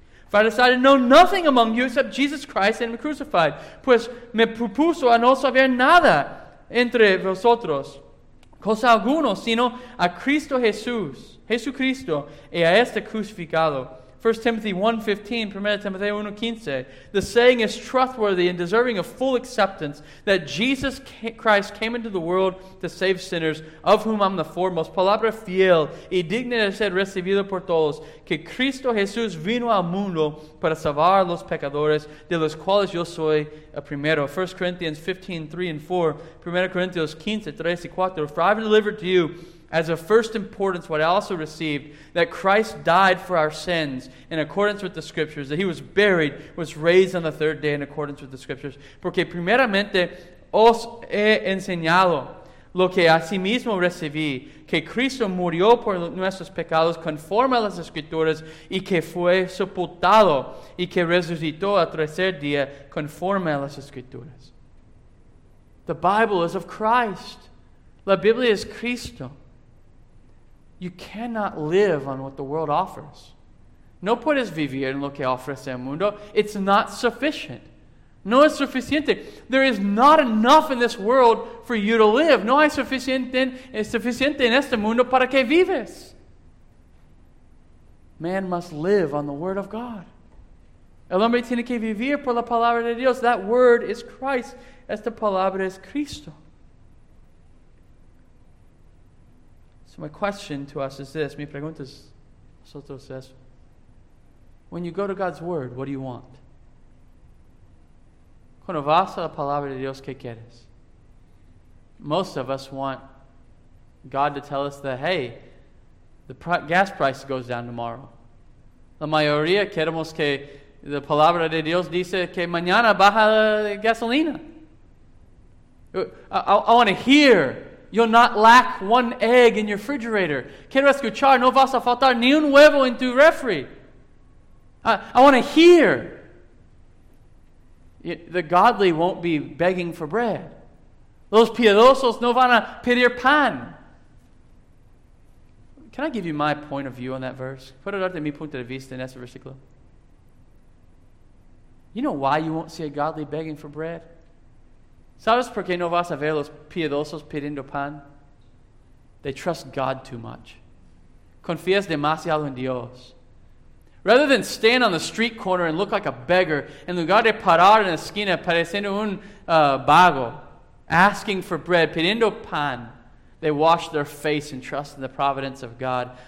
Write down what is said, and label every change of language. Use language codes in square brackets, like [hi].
[en] For I decided to know nothing among you except Jesus Christ and him crucified. [es] Pues me propuso a no saber nada entre vosotros, cosa alguna, sino a Cristo Jesús, Jesucristo, y a este crucificado. [en] 1 Timothy 1:15, 1 Timothy 1:15. The saying is trustworthy and deserving of full acceptance that Jesus Christ came into the world to save sinners, of whom I'm the foremost. [es] Palabra fiel y digna de ser recibido por todos, que Cristo Jesús vino al mundo para salvar los pecadores, de los cuales yo soy el primero. [en] 1 Corinthians 15:3-4, 1 Corinthians 15:3-4. For I have delivered to you as of first importance what I also received, that Christ died for our sins in accordance with the Scriptures, that he was buried, was raised on the third day in accordance with the Scriptures. [es] Porque primeramente os he enseñado lo que asimismo recibí, que Cristo murió por nuestros pecados conforme a las Escrituras, y que fue sepultado, y que resucitó al tercer día conforme a las Escrituras. [en] The Bible is of Christ. [es] La Biblia es Cristo. [en] You cannot live on what the world offers. [es] No puedes vivir en lo que ofrece el mundo. [en] It's not sufficient. [es] No es suficiente. [en] There is not enough in this world for you to live. [es] No hay suficiente en este mundo para que vives. [en] Man must live on the Word of God. [es] El hombre tiene que vivir por la palabra de Dios. [en] That word is Christ. [es] Esta palabra es Cristo. [en] So my question to us is this. [es] Mi pregunta es, nosotros es, [en] when you go to God's Word, what do you want? [es] Cuando vas a la palabra de Dios, ¿qué quieres? [en] Most of us want God to tell us that, hey, the gas price goes down tomorrow. [es] La mayoría queremos que la palabra de Dios dice que mañana baja la gasolina. [en] I want to hear, you'll not lack one egg in your refrigerator. [es] Quiero escuchar, no vas a faltar ni un huevo en tu refri. [en] I want to hear. The godly won't be begging for bread. [es] Los piadosos no van a pedir pan. [en] Can I give you my point of view on that verse? [es] Puedo darte mi punto de vista en ese versículo. [en] You know why you won't see a godly begging for bread? [es] ¿Sabes por qué no vas a ver los piadosos pidiendo pan? [en] They trust God too much. [es] Confías demasiado en Dios. [en] Rather than stand on the street corner and look like a beggar, [es] en lugar de parar en la esquina pareciendo un vago, [en] asking for bread, [es] pidiendo pan, [en] they wash their face and trust in the providence of God.